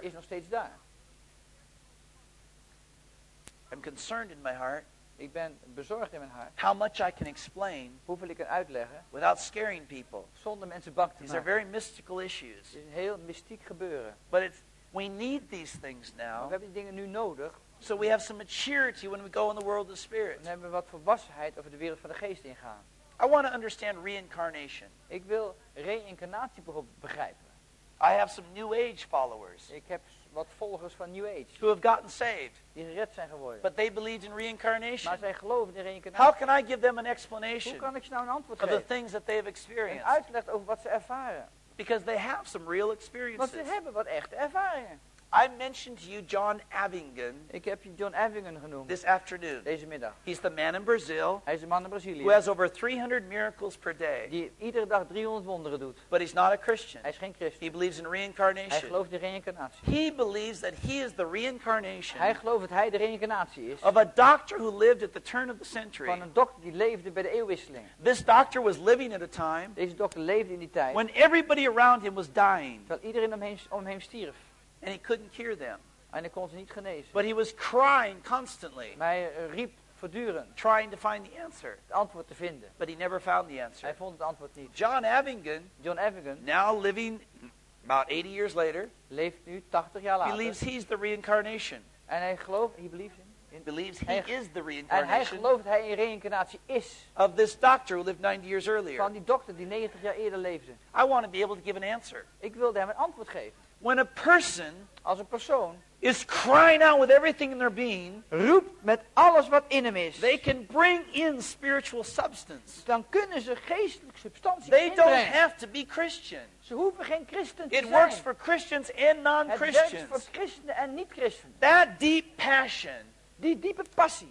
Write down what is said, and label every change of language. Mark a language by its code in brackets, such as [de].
[nl] Is nog steeds daar. [en] I'm concerned in my heart. [nl] Ik ben bezorgd in mijn hart. [en] How much I can explain. [nl] Hoeveel ik kan uitleggen. [en] Without scaring people. [nl] Zonder mensen bang te maken. [en] These are very mystical issues. [nl] Het is een heel mystiek gebeuren. [en] But it's We need these things now. [nl] We hebben die dingen nu nodig. [en] So we have some maturity when we go in the world of the spirit. [nl] Dan hebben we wat volwassenheid over de wereld van de geest ingaan. [en] I want to understand reincarnation. [nl] Ik wil reïncarnatie begrijpen. [en] I have some new age followers. [nl] Ik heb wat volgers van New Age. [en] Who have gotten saved. [nl] Die gered zijn geworden. [en] But they believed in reincarnation. [nl] Maar zij geloven in reïncarnatie. [en] How can I give them an explanation? [nl] Hoe kan ik ze nou een antwoord geven? [en] Of the things that they have experienced. [nl] Een uitleg over wat ze ervaren. [en] Because they have some real experiences. [nl] Want ze hebben wat echte ervaringen. [en] I mentioned to you John Avingen. [nl] Ik heb je John Avingen genoemd. [en] This afternoon. [nl] Deze middag. [en] He's the man in Brazil. [nl] Hij is een man in Brazilië. [en] Who has over 300 miracles per day. [nl] Die iedere dag 300 wonderen doet. [en] But he's not a Christian. [nl] Hij is geen christen. [en] He believes in reincarnation. [nl] Hij gelooft in reïncarnatie. [en] He believes that he is the reincarnation. [nl] Hij gelooft dat hij de reïncarnatie is. [en] Of a doctor who lived at the turn of the century. [nl] Van een dokter die leefde bij de eeuwwisseling. [en] This doctor was living at a time. [nl] Deze dokter leefde in die tijd. [en] When everybody around him was dying. [nl] Terwijl iedereen om hem stierf. [en] And he couldn't cure them. [nl] En hij kon ze niet genezen. [en] But he was crying constantly. [nl] Maar hij riep voortdurend. [en] Trying to find the answer. [nl] Het antwoord te vinden. [en] But he never found the answer. [nl] Hij vond het antwoord niet. [en] John Avingen. Now living about 80 years later. [nl] Leeft nu 80 jaar later. [en] Believes he's the reincarnation. [nl] En hij gelooft, [en] he believes him. Believes he is the reincarnation. [nl] En hij gelooft hij in reïncarnatie is. [en] Of this doctor who lived 90 years earlier. [nl] Van die dokter die 90 jaar eerder leefde. [en] I want to be able to give an answer. [nl] Ik wilde hem een antwoord geven. [en] When a person, [nl] als een persoon, [en] is crying out with everything in their being, [nl] roept met alles wat in hem is, [en] they can bring in spiritual substance. [nl] Dan kunnen ze geestelijke substantie [en] they [nl] inbrengen. [en] They don't have to be Christian. [nl] Ze hoeven geen christen te [en] it [nl] zijn. [en] Works for Christians and non-Christians. [nl] Het werkt voor christenen en niet-christenen. [en] That deep passion, [nl] die diepe passie,